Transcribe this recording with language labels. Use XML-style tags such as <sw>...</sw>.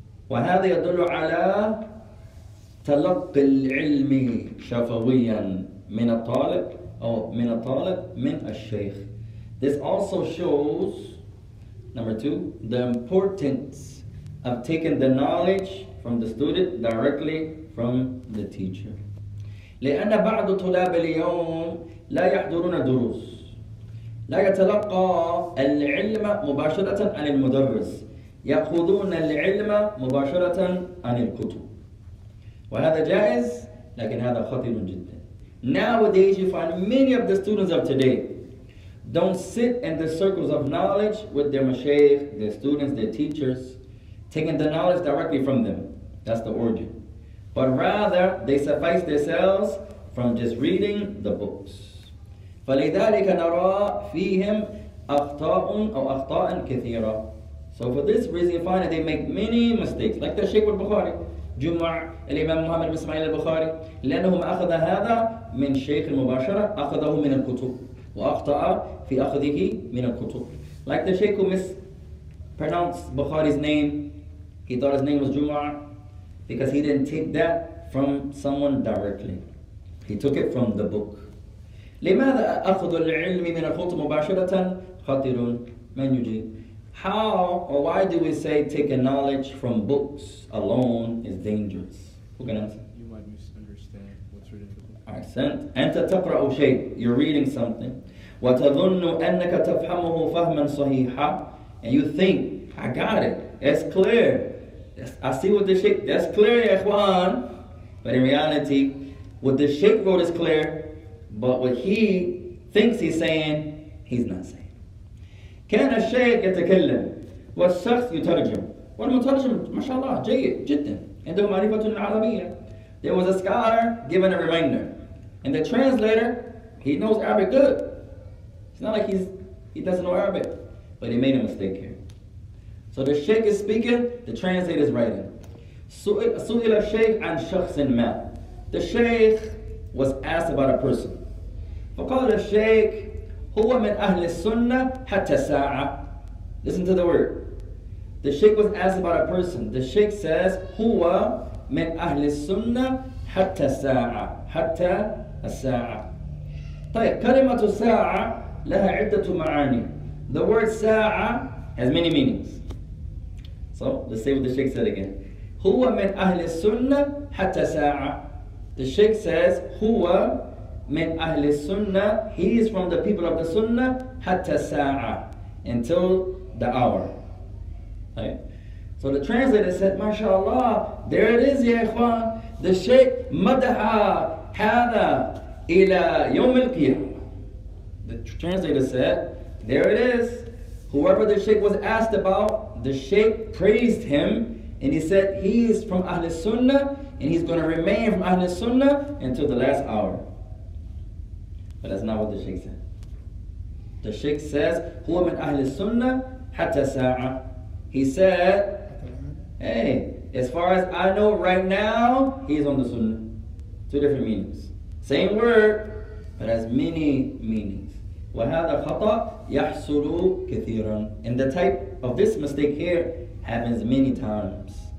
<ar>وهذا يدل على تلقي العلم شفويا من الطالب أو من الطالب من الشيخ.</ar> <en>This also shows, number two, the importance of taking the knowledge from the student directly from the teacher.</en> <ar>لأن بعض طلاب اليوم لا يحضرون دروس لا يتلقى العلم مباشرة عن المدرس يأخذون العلم مباشرة عن الكتب وهذا جائز لكن هذا خطير جدا.</ar> <en>Nowadays you find many of the students of today don't sit in the circles of knowledge with their mashayikh, their students, their teachers, taking the knowledge directly from them. That's the origin. But rather, they suffice themselves from just reading the books.</en> <ar>فَلِذَلِكَ نَرَى فِيهِمْ أَخْطَاءٌ أَوْ أَخْطَاءٍ كَثِيرًا.</ar> <en>So for this reason, you find that they make many mistakes, like the Shaykh al-Bukhari.</en> <ar>جمع الإمام محمد بن إسماعيل البخاري لأنهم أخذ هذا من شيخ مباشرة أخذه من الكتب وأخطأ في أخذه من الكتب.</ar> <en>Like the Shaykh who mispronounced Bukhari's name, he thought his name was Jumu'ah because he didn't take that from someone directly. He took it from the book.</en> <ar>لماذا أخذ العلم من الكتب مباشرة خطير من يجيب.</ar> <en>How or why do we say taking knowledge from books alone is dangerous? Who can answer? You might misunderstand what's written in the book. Accent.</en> <ar>أنت تقرأ شيء.</ar> <en>You're reading something.</en> <ar>وتظن أنك تفهمه فهما صحيحا.</ar> <en>And you think, I got it. It's clear. I see what the Sheikh. That's clear, Ikhwan. But in reality, what the Sheikh wrote is clear. But what he thinks he's saying, he's not saying.</en> <ar>كان الشيخ يتكلم والشخص يترجم والمترجم ما شاء الله جيد جدا عنده معرفة عربية.</ar> <en>There was a scholar given a reminder and the translator, he knows Arabic good. It's not like he doesn't know Arabic, but he made a mistake here. So the sheikh is speaking, the translator is writing.</en> <ar>سئل الشيخ عن شخص ما.</ar> <en>The sheikh was asked about a person.</en> <ar>فقال الشيخ هو من أهل السنة حتى ساعة.</ar> <en>Listen to the word. The Sheikh was asked about a person. The Sheikh says</en> <ar>هو من أهل السنة حتى ساعة. حتى الساعة. طيب كلمة ساعة لها عدة معاني.</ar> <en>The word ساعة has many meanings. So let's say what the Sheikh said again.</en> <ar>هو من أهل السنة حتى ساعة.</ar> <en>The Sheikh says</en> <ar>هو من أهل السنة.</ar> <en>He is from the people of the Sunnah</en> <ar>حتى الساعة,</ar> <en>until the hour. Okay. So the translator said, MashaAllah, there it is, Ya Ikhwan. The Shaykh</en> <ar>مدح هذا إلى يوم القيامة.</ar> <en>The translator said, there it is. Whoever the Shaykh was asked about, the Shaykh praised him and he said, he is from أهل السنة and he's going to remain from أهل السنة until the last hour. But that's not what the Sheikh said. The Sheikh says,</en> <ar>هو من أهل السنة حتى ساعة.</ar> <en>He said, hey, as far as I know right now, he's on the Sunnah. Two different meanings. Same word, but has many meanings.</en> <ar>وهذا خطأ يحصل كثيرا.</ar> <en>And the type of this mistake here happens many times.</en>